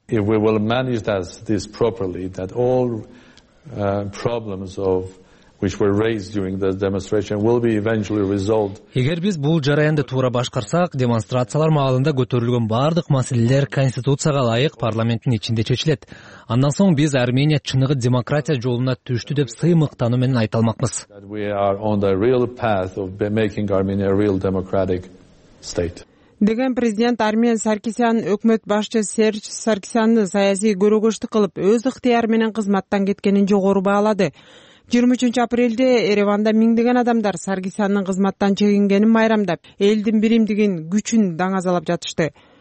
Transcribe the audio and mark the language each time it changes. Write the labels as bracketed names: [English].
[English] If we will manage this properly, that all problems of which were raised during the demonstration will be eventually resolved. [Kyrgyz] Эгер биз бул жараянды туура башкарсак, демонстрациялар маалында көтөрүлгөн бардык маселелер конституцияга ылайык парламенттин ичинде чечилет. Андан соң биз Армения чыныгы демократия жолуна түштү деп сыймыктануу менен айта алмакбыз. [English] We are on the real path of making Armenia a real democratic state. [Kyrgyz] Деген президент Армен Саркисян өкмөт башчысы Серж Саркисянды саясий көрүгүштү кылып, өз ыктыяры менен кызматтан кеткенин жогору баалады. 23 апрелде Ереванда миңдеген адамдар Саргисяндын кызматтан чегингенин майрамдап, элдин биримдигин, күчүн даңазалап жатышты.